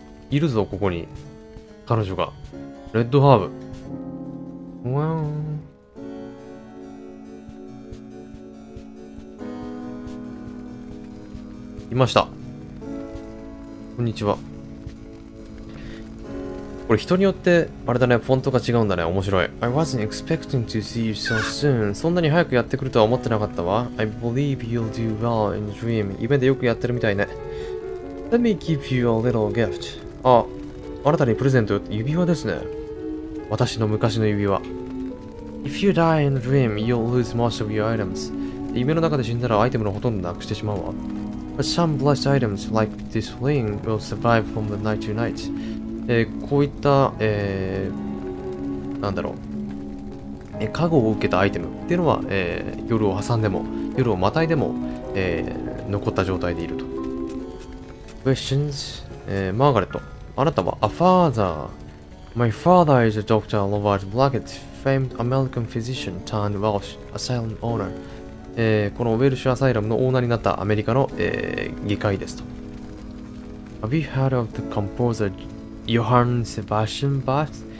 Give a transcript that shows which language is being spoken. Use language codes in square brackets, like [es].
[ja] いるぞ、ここに。彼女が。レッドハーブ。うわーん。いました。こんにちは。これ人によってあれだね、フォントが違うんだね。面白い。 [en] I wasn't expecting to see you so soon. [ja] そんなに早くやってくるとは思ってなかったわ。 [en] I believe you'll do well in dream. [ja] 夢でよくやってるみたいね。 [en] Let me give you a little gift. [ja] あ、あなたにプレゼント。指輪ですね。私の昔の指輪。 [en] If you die in dream, you'll lose most of your items. [ja] 夢の中で死んだらアイテムのほとんどなくしてしまうわ。 [en] But some blessed items, like this ring, will survive from the night to night. [ja] こういった、なんだろう。加護を受けたアイテムっていうのは、夜を挟んでも、夜をまたいでも、残った状態でいると。 [en] Questions? [ja] マーガレット。あなたは、 [en] a father My father is a Dr. Robert Blackett, famed American physician turned Welsh asylum owner. [ja] このウェルシュアサイラムのオーナーになったアメリカの、議会ですと。 [en] Have you heard of the composer Johann Sebastian Bach?